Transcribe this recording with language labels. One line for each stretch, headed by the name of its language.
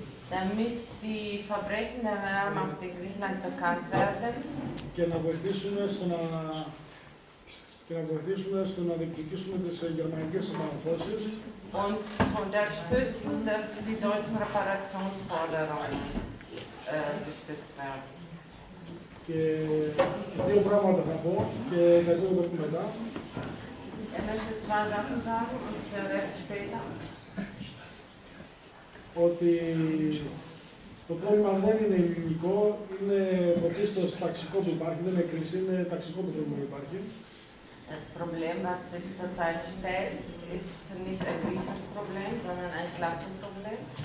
German: Damit die Verbrechen der Wehrmacht in Griechenland bekannt werden.
Greek: Και να βοηθήσουμε στο να διεκδικήσουμε τις γερμανικές επαναφώσεις.
German: Und zu unterstützen, dass die deutschen Reparationsforderungen unterstützt werden.
Greek: Και δύο πράγματα θα πω και θα δούμε μετά. Ένα σε
German: zwei Sachen sagen und der Rest später.
Greek: Ότι το πρόβλημα δεν είναι ελληνικό, είναι πρωτίστως ταξικό που υπάρχει, δεν είναι κρίση, είναι ταξικό που δεν υπάρχει.
German: Das Problem, was sich zurzeit stellt, ist nicht ein griechisches Problem, sondern ein Klassenproblem.